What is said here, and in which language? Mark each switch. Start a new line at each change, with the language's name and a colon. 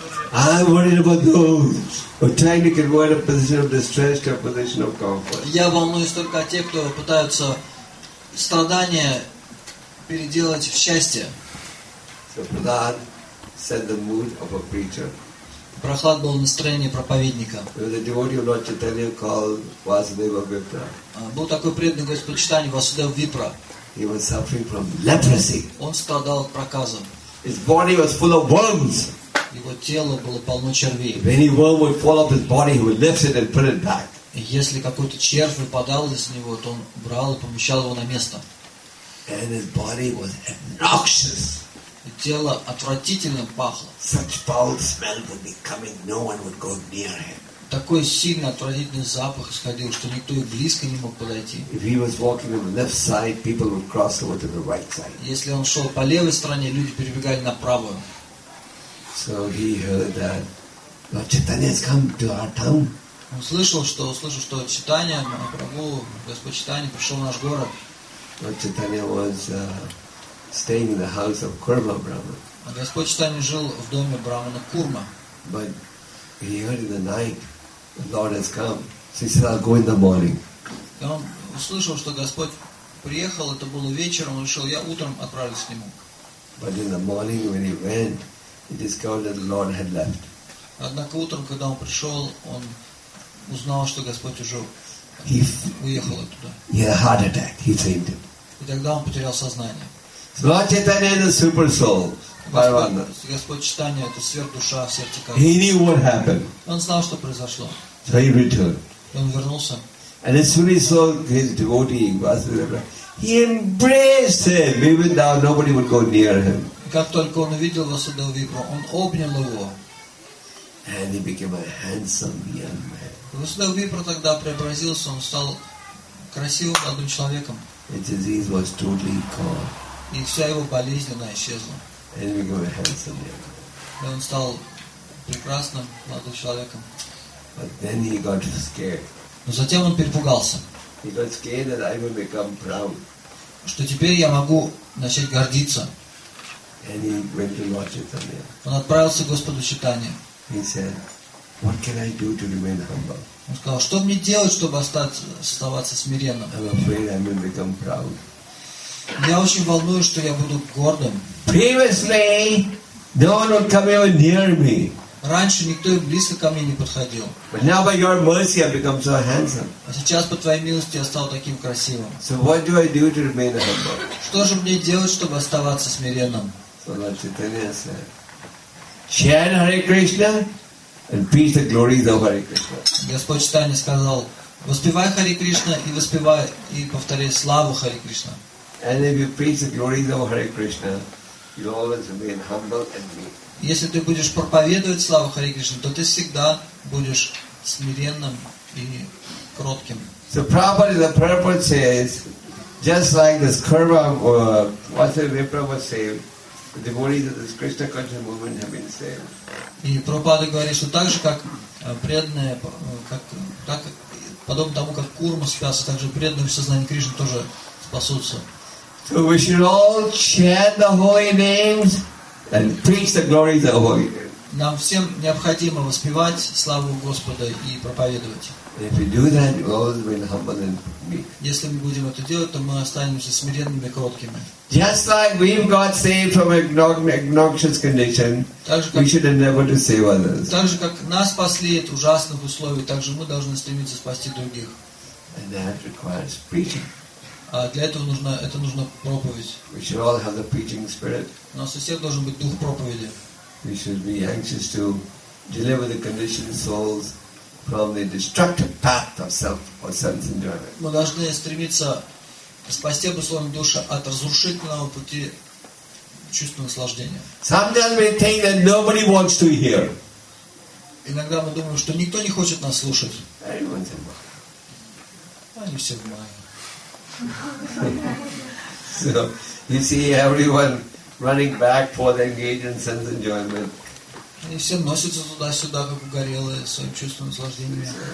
English: I'm worried about those who are trying to convert a position of distress to a position of comfort.
Russian: Я волнуюсь только о тех, кто пытаются страдания переделать в счастье.
English: So Prahlad set the mood of a preacher.
Russian: Прохлад был настроение проповедника. Был такой преданный Господь Читания Васудева Випра.
English: He was suffering from leprosy.
Russian: Он страдал от проказа.
English: His body was full of worms.
Russian: Его тело было полно червей.
English: If any worm would fall off his body, he would lift it and put it back.
Russian: Если какой-то червь выпадал из него, то он брал и помещал его на место.
English: And his body was obnoxious.
Russian: И тело отвратительно пахло.
English: Such foul smell would be coming, no one would go near him.
Russian: Такой сильный отвратительный запах исходил, что никто и близко не мог подойти.
English: If he was walking on the left side, people would cross over to the right side.
Russian: Если он шел по левой стороне, люди перебегали на правую.
English: So he heard that Lord Chaitanya has come to our town.
Russian: Он слышал, что Читания Махапрабху, Господь Читания пришел в наш город.
English: Lord Chaitanya was staying in the house of Kurma Brahma.
Russian: А Господь Читания жил в доме Брахмана Курма.
English: But he heard in the night the Lord has come. So he said, I'll go in the morning.
Russian: И он услышал, что Господь приехал, это было вечером, он решил, я утром отправлюсь к нему.
English: But in the morning when he went, he discovered that the Lord had left.
Russian: Однако утром, когда он пришел, он узнал, что Господь уже уехал оттуда.
English: He had a heart attack. He fainted.
Russian: И тогда он потерял сознание.
English: Lord Chaitanya is a super soul.
Russian: Господь Читания это сверхдуша, сверхтика.
English: He knew what happened.
Russian: Он знал, что произошло.
English: So he returned.
Russian: И он вернулся.
English: And as soon as he saw his devotee, Vasudeva, he embraced him, even though nobody would go near him.
Russian: Как только он увидел Васудеву Випру, он обнял его.
English: And he became a handsome young man.
Russian: Васудева Випра тогда преобразился, он стал красивым молодым человеком.
English: His disease was totally gone.
Russian: И вся его болезнь, она исчезла.
English: And he became a handsome young man.
Russian: И он стал прекрасным молодым человеком.
English: But then he got scared.
Russian: Но затем он перепугался.
English: He got scared that I will become proud.
Russian: Что теперь я могу начать гордиться.
English: And he went to Lord Chaitanya.
Russian: Он отправился к Господу Читания.
English: He said, what can I do to remain humble?
Russian: Он сказал, что мне делать, чтобы оставаться смиренным?
English: I'm afraid I will become proud.
Russian: Я очень волнуюсь, что я буду гордым.
English: Previously, no one would come even near me.
Russian: Раньше никто и близко ко мне не подходил.
English: But now by your mercy I've become so handsome.
Russian: А сейчас по твоей милости я стал таким красивым.
English: So what do I do to remain humble?
Russian: Что же мне делать, чтобы оставаться смиренным?
English: So Lord Chaitanya said, chant Hare Krishna and preach the glories of Hare Krishna.
Russian: Господь Читания сказал, воспевай Хари Кришна и воспевай и повторяй славу Хари Кришна.
English: And if you preach the glories of Hare Krishna, you always remain humble and meek.
Russian: Если ты будешь проповедовать славу Хари Кришна, то ты всегда будешь смиренным и кротким.
English: So Prabhupada, the purport says, just like this Kurma, Vasudeva Vipra was saved, the devotees of this Krishna conscious movement have been saved.
Russian: И Прабхупада говорит, что так же, как преданные, как подобно тому, как Курма спасся, так же преданные в сознании Кришны тоже спасутся.
English: So we should all chant the holy names and preach the glories of Holy Name.
Russian: Нам всем необходимо воспевать славу Господа и проповедовать.
English: If we do that, we always remain humble and meek.
Russian: Если мы будем это делать, то мы останемся смиренными и кроткими.
English: Just like we've got saved from an obnoxious condition, we should endeavor to save others.
Russian: Так же, как нас спасли от ужасных условий, так же мы должны стремиться спасти других.
English: And that requires preaching.
Russian: А для этого нужно, это нужно проповедь.
English: We should all have the preaching spirit.
Russian: У нас у всех должен быть дух проповеди.
English: We should be anxious to deliver the conditioned souls from the destructive path of self or sense enjoyment.
Russian: Мы должны стремиться спасти обусловленную душу от разрушительного пути чувства наслаждения.
English: Sometimes we think that nobody wants to hear.
Russian: Иногда мы думаем, что никто не хочет нас слушать.
English: Everyone's in mind.
Russian: Они все в mind.
English: So you see everyone running back for the engagement sense enjoyment.
Russian: Они все носятся туда-сюда, как угорелые, своим чувством наслаждения.